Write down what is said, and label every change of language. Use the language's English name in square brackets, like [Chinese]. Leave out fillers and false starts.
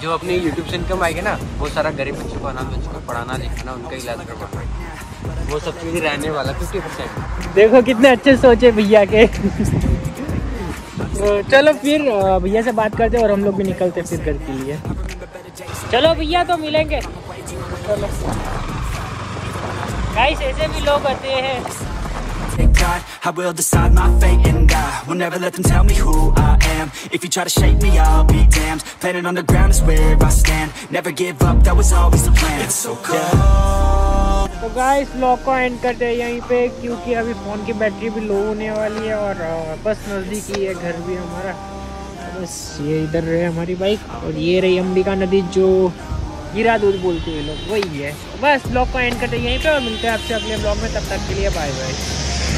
[Hindi] जो अपने यूट्यूब से इनकम आएगी ना वो सारा गरीब बच्चों को, अनाथ बच्चों को पढ़ाना लिखाना, उनका इलाज करवाना, वो सब चीज रहने वाला 50%। देखो कितने अच्छे सोचे भैया के। चलो फिर भैया से बात करते और हम लोग भी निकलते फिर घर के लिए। चलो भैया तो मिलेंगे। चलो guys ऐसे भी लोग आते हैं। [English] I will decide my fate and I will never let them tell me who I am. If you try to shake me I'll be damned. Planet on the ground is where I stand. Never give up, that was always the plan. It's so cold. [Hindi] तो guys vlog को and करते हैं यहीं पे, क्योंकि अभी phone की battery भी लो होने वाली है और बस नजदीक ही है घर भी हमारा, बस ये इधर रहे हमारी बाइक और ये रही अंबिका नदी जो गिरा दूध बोलते हैं लोग, वही है। बस ब्लॉग का एंड करते हैं यहीं पे और मिलते हैं आपसे अपने ब्लॉग में, तब तक के लिए बाय बाय।